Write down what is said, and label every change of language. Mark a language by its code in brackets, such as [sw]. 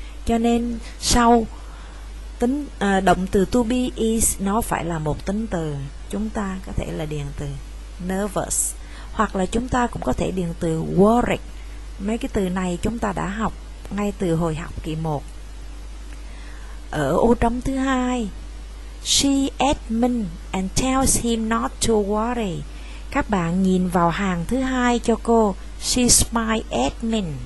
[vi] Cho nên sau tính động từ to be is, nó phải là một tính từ. Chúng ta có thể là điền từ nervous, hoặc là chúng ta cũng có thể điền từ worried. Mấy cái từ này chúng ta đã học ngay từ hồi học kỳ 1. Ở ô trống thứ 2, [en] she admits and tells him not to worry. [vi] Các bạn nhìn vào hàng thứ hai cho cô. [en] She smiles at Min.